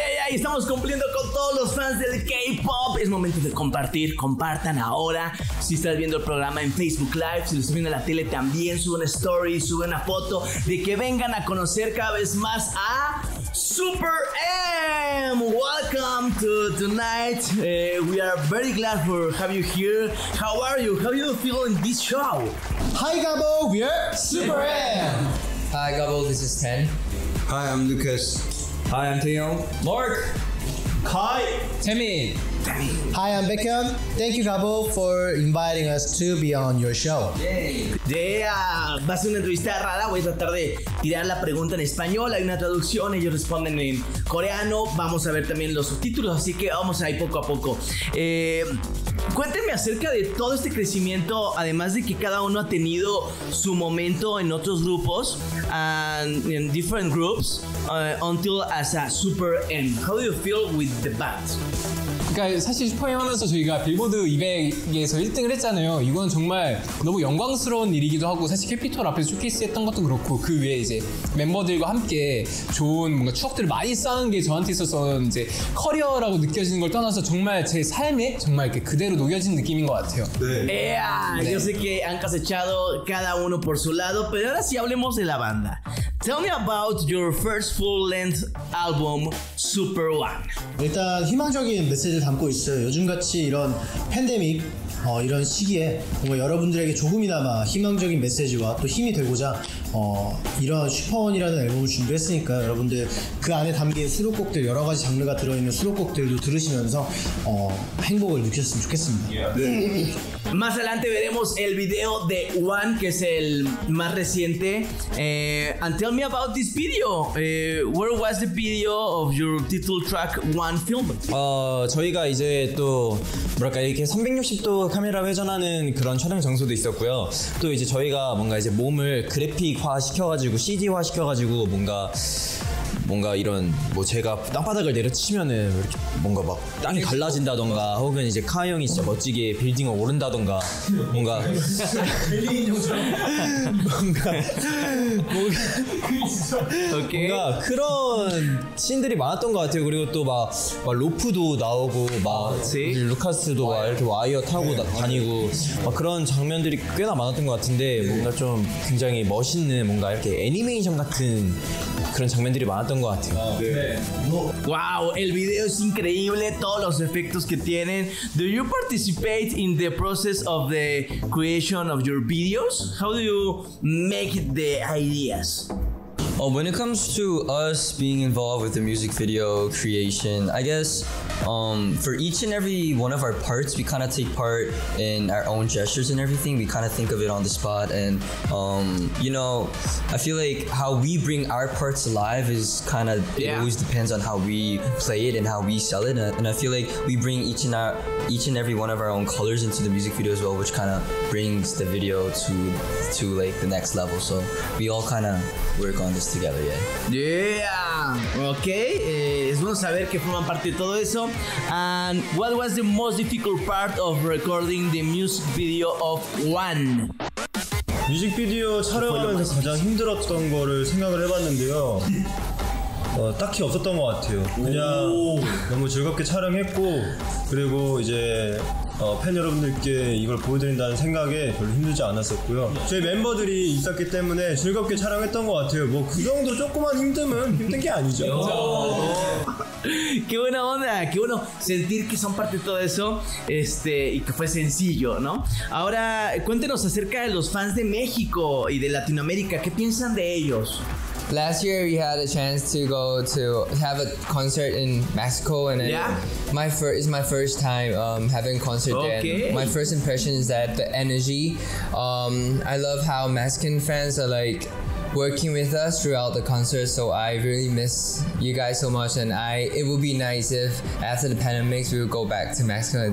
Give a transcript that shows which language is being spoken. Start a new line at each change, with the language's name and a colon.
Spanish: Estamos cumpliendo con todos los fans del K-Pop. Es momento de compartir. Compartan ahora. Si estás viendo el programa en Facebook Live, si lo estás viendo en la tele también, sube una story, sube una foto de que vengan a conocer cada vez más a Super M.
English: Welcome to Tonight. We are very glad to have you here. How are you? How do you feel in this show? Hi Gabo, we are Super M. Hi Gabo, this is Ten. Hi, I'm Lucas. Hi, I'm Theo. Mark. Kai. Timmy. Hi, I'm Beckham. Thank you, Gabo, for inviting us to be on your show.
Spanish: Yay. Yeah, va a ser una entrevista rara. Voy a tratar de tirar la pregunta en español. Hay una traducción, ellos responden en coreano. Vamos a ver también los subtítulos, así que vamos ahí poco a poco. Cuéntenme acerca de todo este crecimiento, además de que cada uno ha tenido su momento en otros grupos,
English: in different groups, until as a Super M. How do you feel with the band?
Korean: 그러니까 사실 슈퍼맨 하면서 저희가 빌보드 200에서 1등을 했잖아요. 이건 정말 너무 영광스러운 일이기도 하고 사실 캐피톨 앞에서 쇼케이스 했던 것도 그렇고 그 외에 이제 멤버들과 함께 좋은 뭔가 추억들을 많이 쌓은 게 저한테 있어서는 이제 커리어라고 느껴지는 걸 떠나서 정말 제 삶에 정말 이렇게 그대로 녹여진 느낌인 것 같아요. 네.
Spanish: Yo sé que han cosechado cada uno por su lado, pero ahora sí hablemos de la banda.
English: Tell me about your first full-length album, Super One.
Korean: 일단 희망적인 메시지를 담고 있어요. 요즘같이 이런 팬데믹 이런 시기에 뭔가 여러분들에게 조금이나마 희망적인 메시지와 또 힘이 되고자 이런 슈퍼원이라는 앨범을 준비했으니까 여러분들 그 안에 담긴 수록곡들 여러 가지 장르가 들어있는 수록곡들도 들으시면서 행복을 느꼈으면 좋겠습니다.
Spanish: Más adelante veremos el video de One, que es el más reciente.
English: And tell me about this video. Where was the video of your title track One film?
Korean: 저희가 이제 또 뭐랄까 이렇게 360도 카메라 회전하는 그런 촬영 장소도 있었고요. 또 이제 저희가 뭔가 이제 몸을 그래픽화 시켜가지고 CG화 시켜가지고 뭔가 뭔가 이런 뭐 제가 땅바닥을 내려치면은 이렇게 뭔가 막 땅이 갈라진다던가 혹은 이제 카이 형이 진짜 멋지게 빌딩을 오른다던가 뭔가 뭔가 그런 씬들이 많았던 것 같아요. 그리고 또 막 로프도 나오고 막 루카스도 와이어. 막 이렇게 와이어 타고 네, 다니고 막 그런 장면들이 꽤나 많았던 것 같은데 네. 뭔가 좀 굉장히 멋있는 뭔가 이렇게 애니메이션 같은 그런 장면들이 많았던 것 같아요. 아, 네.
Spanish: 와우, el video es increíble, todos los efectos que tienen.
English: Do you participate in the process of the creation of your videos? How do you make the ideas? Oh, when it comes to us being involved with the music video creation, I guess for each and every one of our parts, we kind of take part in our own gestures and everything. We kind of think of it on the spot. And, you know, I feel like how we bring our parts alive is kind of, yeah. It always depends on how we play it and how we sell it. And I feel like we bring each and every one of our own colors into the music video as well, which kind of brings the video to like the next level. So we all kind of work on this together, yeah. Yeah, okay.
Spanish: Es bueno saber que forman parte de todo eso.
English: And what was the most difficult part of recording the music video of One?
Korean: 뮤직비디오 촬영하면서 가장 힘들었던 거를 생각을 해봤는데요. 딱히 없었던 것 같아요. 그냥 오. 너무 즐겁게 촬영했고 그리고 이제 팬 여러분들께 이걸 보여드린다는 생각에 별로 힘들지 않았었고요. 저희 멤버들이 있었기 때문에 즐겁게 촬영했던 것 같아요. 뭐 그 정도 조그만 힘듦은 힘든 게 아니죠.
Spanish: Qué buena onda, qué bueno sentir que son parte de todo eso y que fue sencillo, ¿no? Ahora, cuéntenos acerca de los fans de México y de Latinoamérica, ¿qué piensan de ellos?
English: Last year we had a chance to go to have a concert in Mexico and then it's my first time having a concert there. Okay. My first impression is that the energy, I love how Mexican fans are like working with us throughout the concert, so I really miss you guys so much, and it would be nice if after the pandemic we would go back to Mexico.